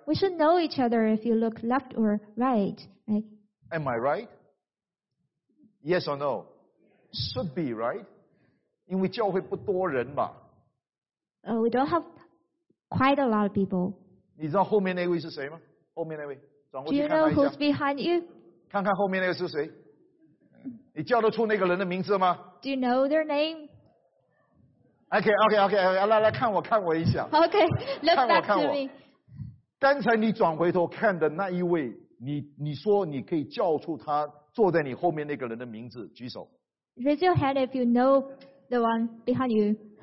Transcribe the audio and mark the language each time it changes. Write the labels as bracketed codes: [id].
[en] We should know each other if you look left or right, right? Am I right? Yes or no? Should be, right? [zh] 因为教会不多人嘛。 [en] We don't have quite a lot of people. [zh] 你知道后面那位是谁吗？后面那位，转过去看一下。 [en] Do you know who's behind you? [zh] 看看后面那个是谁？你叫得出那个人的名字吗 [en] ？Do you know their name? [zh] Okay. 来看我一下。 [en] Okay, look back to me. [zh] 看我。刚才你转回头看的那一位，你说你可以叫出他。坐在你后面那个人的名字，举手。 [en] Raise your hand if you know the one behind you.